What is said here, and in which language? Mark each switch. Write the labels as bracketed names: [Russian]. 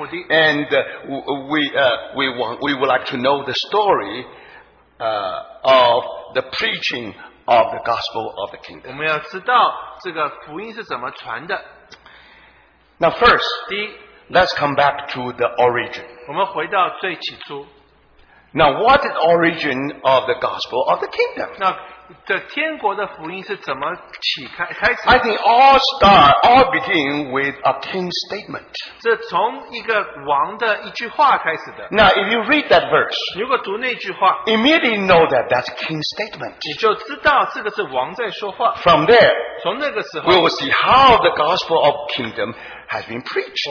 [English] And we would like to know the story of the preaching of the gospel of the kingdom. Now first, [Chinese] 第一, [English] let's come back to the origin. Now what is the origin of the gospel of the kingdom? [Chinese] 那这天国的福音是怎么起开始的? [English] I think all begin with a king statement. [Chinese] 这从一个王的一句话开始的。 [English] Now if you read that verse, [Chinese] 如果读那句话, [English] immediately know that that's a king statement. [Chinese] 你就知道这个是王在说话。 [English] From there, [Chinese] 从那个时候, [English] we will see how the gospel of kingdom has been preached.